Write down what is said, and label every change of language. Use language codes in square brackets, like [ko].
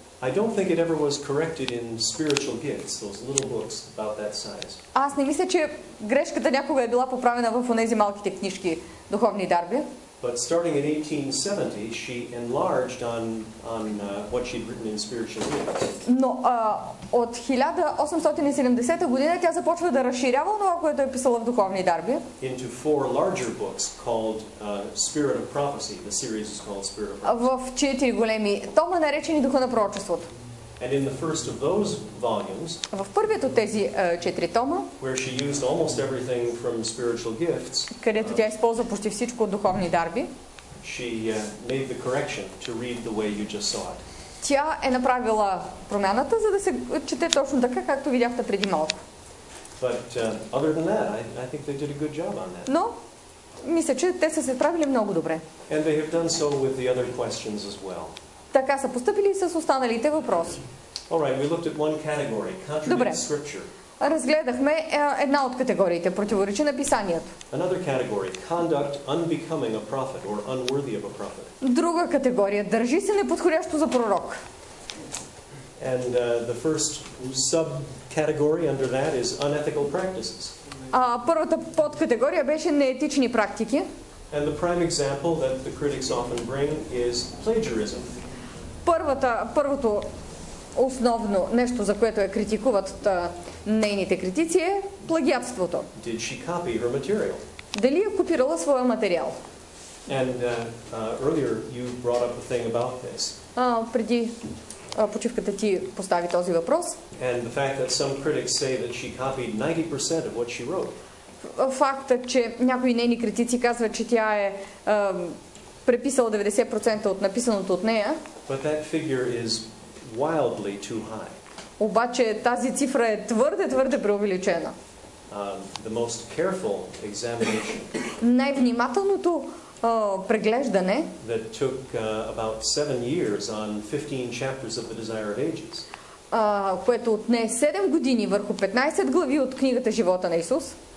[en] I don't think it ever was corrected in spiritual gifts, those little books about that size. [bg] Аз не мисля, че грешката някога е била поправена в онези малките книжки духовни дарби. [en] But starting in 1870, she enlarged on what she'd written in spiritual gifts. [bg] Но от 1870 година тя започва да разширява това, което е писала в духовни дарби. [en] Into four larger books called Spirit of Prophecy. The series is called Spirit of Prophecy. [bg] В четири големи тома, наречени Духа на пророчеството. [en] And in the first of those volumes, [bg] в първият от тези четири тома, [en] where she used almost everything from spiritual gifts, [bg] където тя използва почти всичко от духовни дарби, [en] she made the correction to read the way you just saw it. [bg] Тя е направила промяната, за да се чете точно така, както видяхте преди малко. [en] But other than that, I think they did a good job on that. [bg] Но мисля, че те са се справили много добре. [en] And they have done so with the other questions as well. [bg] Така са постъпили с останалите въпроси. [en] Alright, we looked at one category, contradicting scripture. [bg] Разгледахме една от категориите, противоречи на писанието. [en] Another category, conduct unbecoming a prophet or unworthy of a prophet. [bg] Друга категория, държи се неподходящо за пророк. [en] And the first subcategory under that is unethical practices. [bg] Първата подкатегория беше неетични практики. [en] And the prime example that the critics often bring is plagiarism. [bg] Първото основно нещо, за което я критикуват нейните критици, е плагиатството. [en] Did she copy her material? [bg] Дали е копирала своя материал? [en] And earlier you brought up a thing about this. [bg] Преди почивката ти постави този въпрос. [en] And the fact that some critics say that she copied 90% of what she wrote. [bg] Фактът, че някои нейни критици казват, че тя е преписала 90% от написаното от нея. [en] But that figure is wildly too high. [bg] Обаче тази цифра е твърде преувеличена. [en] The most careful examination. [bg] Най-внимателното преглеждане. [en] That took about 7 years on 15 chapters of The Desire of Ages. [bg] Което отне 7 години върху 15 глави от книгата Живота на Исус.